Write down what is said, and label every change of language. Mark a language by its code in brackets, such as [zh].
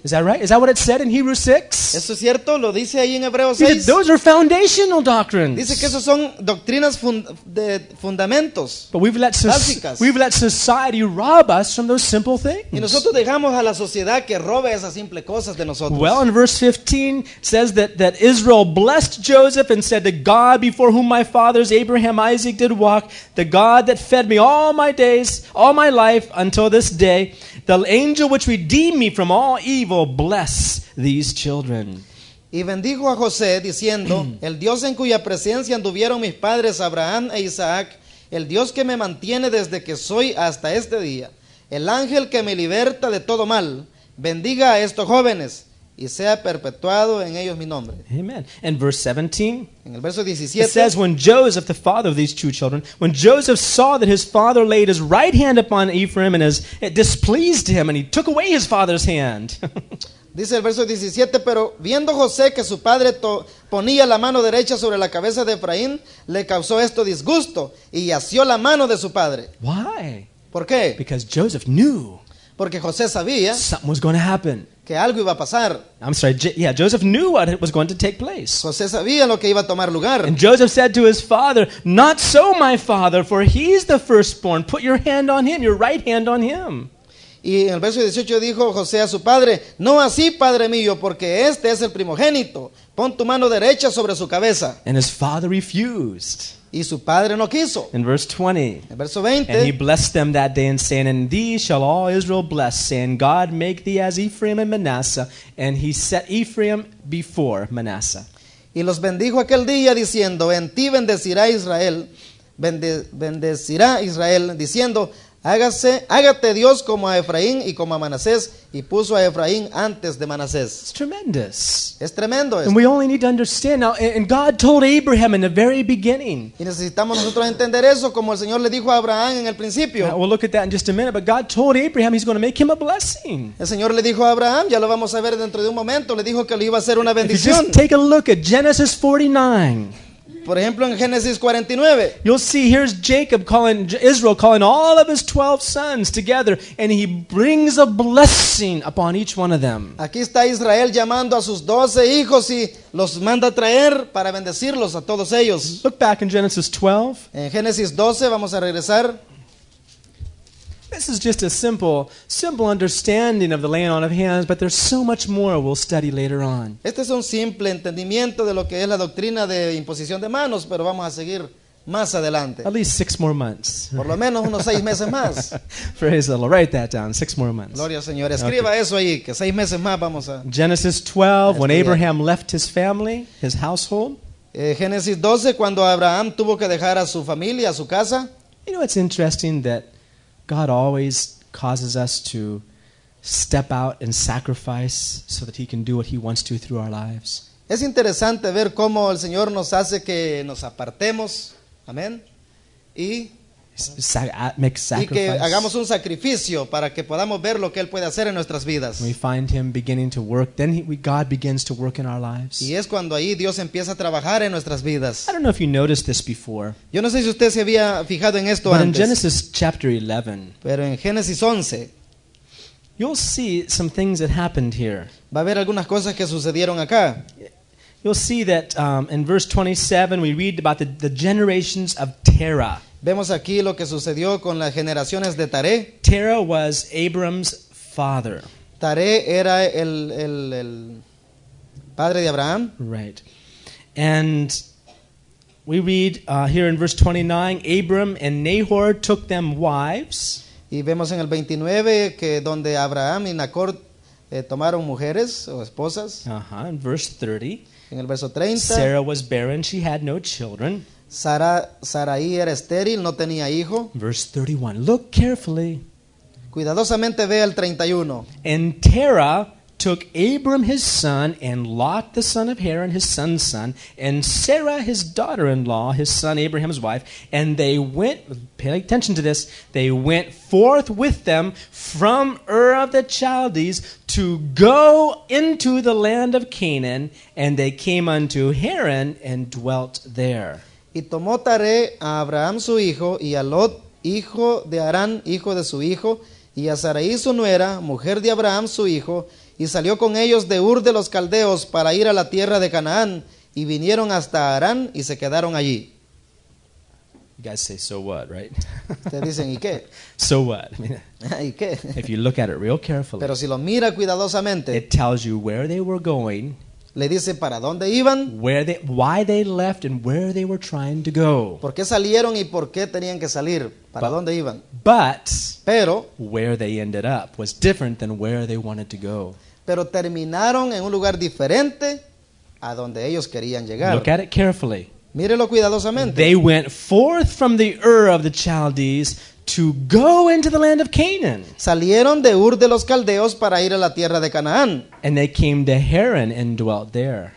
[en] Is that right? Is that what it said in Hebrews 6? [es] ¿Eso es cierto? Lo dice ahí en Hebreos 6. [en] Said, those are foundational doctrines. [es] Dice que esos son doctrinas de fundamentos. [en] But we've let society rob us from those simple things. [es] Y nosotros dejamos a la sociedad que robe esas simples cosas de nosotros. [en] Well, in verse 15 says that Israel blessed Joseph and said, "The God before whom my fathers Abraham, Isaac did walk, the God that fed me all my days, all my life until this day, the angel which redeemed me from all evil, bless these children." [es] Y bendijo a José diciendo, el Dios en cuya presencia anduvieron mis padres Abraham e Isaac, el Dios que me mantiene desde que soy hasta este día, el ángel que me liberta de todo mal, bendiga a estos jóvenes y sea perpetuado en ellos mi nombre. [en] Amen. In verse 17, [es] en el verso 17, [en] it says, when Joseph, the father of these two children, when Joseph saw that his father laid his right hand upon Ephraim and it displeased him, and he took away his father's hand. [es] Dice el verso 17, pero viendo José que su padre ponía la mano derecha sobre la cabeza de Efraín, le causó esto disgusto y asió la mano de su padre. [en] Why? [es] ¿Por qué? [en] Because Joseph knew. [es] Porque José sabía. [en] Something was going to happen. [es] Que algo iba a pasar. [en] I'm sorry, yeah, Joseph knew what was going to take place. [es] José sabía lo que iba a tomar lugar. [en] And Joseph said to his father, "Not so, my father, for he's the firstborn. Put your hand on him, your right hand on him." [es] Y en el verso 18 dijo José a su padre, "No así, padre mío, porque este es el primogénito. Pon tu mano derecha sobre su cabeza." [en] And his father refused. [es] Y su padre no quiso. [en] In verse 20, [es] en verso 20, [en] and he blessed them that day and saying, "And thee shall all Israel bless, saying, God make thee as Ephraim and Manasseh." And he set Ephraim before Manasseh. [es] Y los bendijo aquel día diciendo, "En ti bendecirá Israel, bendecirá Israel, diciendo, hágate Dios como a Efraín y como a Manasés, y puso a Efraín antes de Manasés." [en] It's tremendous. [es] Es tremendo esto. [en] And we only need to understand now, and God told Abraham in the very beginning. [es] Y necesitamos nosotros entender eso como el Señor le dijo a Abraham en el principio. [en] Now, we'll look at that in just a minute, but God told Abraham he's going to make him a blessing. [es] El Señor le dijo a Abraham, ya lo vamos a ver dentro de un momento, le dijo que le iba a hacer una bendición. [en] Just take a look at Genesis 49. [es] Por ejemplo, en Génesis 49, [en] you'll see here's Jacob calling Israel, calling all of his 12 sons together, and he brings a blessing upon each one of them. [es] Aquí está Israel llamando a sus 12 hijos y los manda a traer para bendecirlos a todos ellos. [en] Look back in Genesis 12. [es] En Génesis 12 vamos a regresar. [en] This is just a simple understanding of the laying on of hands, but there's so much more we'll study later on. [es] Este es un simple entendimiento de lo que es la doctrina de imposición de manos, pero vamos a seguir más adelante. [en] At least 6 more months. [es] Por lo menos unos 6 meses más. [en] Praise the Lord. Write that down. 6 more months. [es] Gloria al Señor. Escriba eso ahí, que 6 meses más vamos a... [en] Genesis 12, when Abraham left his family, his household. [es] Génesis 12, cuando Abraham tuvo que dejar a su familia, a su casa. [en] You know, it's interesting that God always causes us to step out and sacrifice so that He can do what He wants to through our lives. [es] Es interesante ver cómo el Señor nos hace que nos apartemos, amén, y [en] make sacrifice. [es] Y que hagamos un sacrificio para que podamos ver lo que Él puede hacer en nuestras vidas. [en] We find Him beginning to work. Then God begins to work in our lives. [es] Y es cuando ahí Dios empieza a trabajar en nuestras vidas. [en] I don't know if you noticed this before. [es] Yo no sé si usted se había fijado en esto antes. [en] But in Genesis chapter 11. [es] Pero en Génesis 11. [en] You'll see some things that happened here. [es] Va a haber algunas cosas que sucedieron acá. [en] You'll see that in verse 27 we read about the generations of Terah. [es] Vemos aquí lo que sucedió con las generaciones de Taré. [en] Terah was Abram's father. [es] Taré era el padre de Abraham. [en] Right. And we read here in verse 29, Abram and Nahor took them wives. [es] Y vemos en el 29 que donde Abraham y Nahor tomaron mujeres o esposas. [en] Uh-huh. In verse 30. [es] En el verso 30. [en] Sarah was barren, she had no children. [es] Sarai era estéril, no tenía hijo. [en] Verse 31. Look carefully. [es] Cuidadosamente ve el 31. [en] And Terah took Abram his son and Lot the son of Haran his son's son and Sarah his daughter-in-law his son Abraham's wife, and they went, pay attention to this, they went forth with them from Ur of the Chaldees to go into the land of Canaan, and they came unto Haran and dwelt there. [es] Y tomó Taré a Abraham su hijo y a Lot hijo de Harán hijo de su hijo y a Sarai su nuera mujer de Abraham su hijo, y salió con ellos de Ur de los Caldeos para ir a la tierra de Canaán, y vinieron hasta Harán y se quedaron allí. [en] You guys say, so what, right? [es] Te dicen, ¿y qué? [en] So what? [es] ¿Y qué? [en] If you look at it real carefully, [es] pero si lo mira cuidadosamente, [en] it tells you where they were going, [es] le dice para dónde iban, [en] why they left and where they were trying to go, [es] por qué salieron y por qué tenían que salir, para dónde iban. [en] But [es] pero [en] where they ended up was different than where they wanted to go. [es] Pero terminaron en un lugar diferente a donde ellos querían llegar. [en] Look at it carefully. [es] Mírelo cuidadosamente. [en] They went forth from the Ur of the Chaldees to go into the land of Canaan. [es] Salieron de Ur de los Caldeos para ir a la tierra de Canaán. [en] And they came to Haran and dwelt there.